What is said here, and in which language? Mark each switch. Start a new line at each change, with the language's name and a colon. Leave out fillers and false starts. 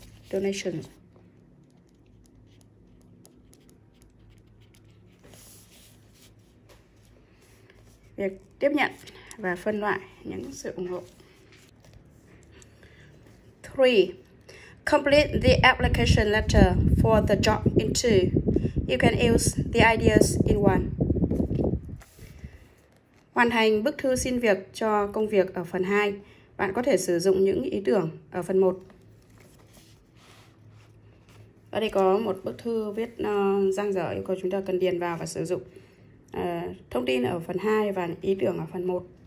English: Donations.
Vietnamese: Việc tiếp nhận và phân loại những sự ủng hộ.
English: 3. Complete the application letter for the job in 2. You can use the ideas in 1.
Vietnamese: Hoàn thành bức thư xin việc cho công việc ở phần 2. Bạn có thể sử dụng những ý tưởng ở phần 1. Ở đây có một bức thư viết dang dở, yêu cầu chúng ta cần điền vào và sử dụng thông tin ở phần 2 và ý tưởng ở phần 1.